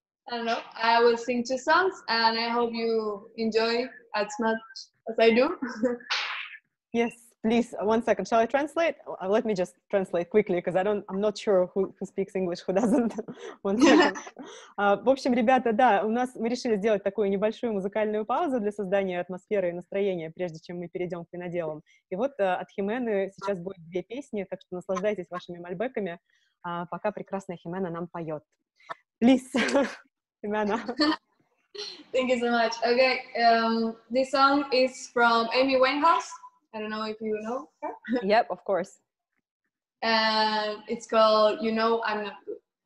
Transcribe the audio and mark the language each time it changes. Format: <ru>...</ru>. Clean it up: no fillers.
<en>I don't know. I will sing two songs and I hope you enjoy as much as I do. Yes, please. One second. Shall I translate? Let me just translate quickly because I'm not sure who speaks English, who doesn't. One second.</en> <ru>В общем, ребята, да, у нас мы решили сделать такую небольшую музыкальную паузу для создания атмосферы и настроения, прежде чем мы перейдем к виноделам. И вот от Химены сейчас будет две песни, так что наслаждайтесь вашими мальбеками, пока прекрасная Химена нам поет.</ru> <en>Please. Himena. Thank you so much. Okay, this song is from Amy Winehouse. I don't know if you know her. Yep, of course. And it's called You Know I'm Not Good.</en>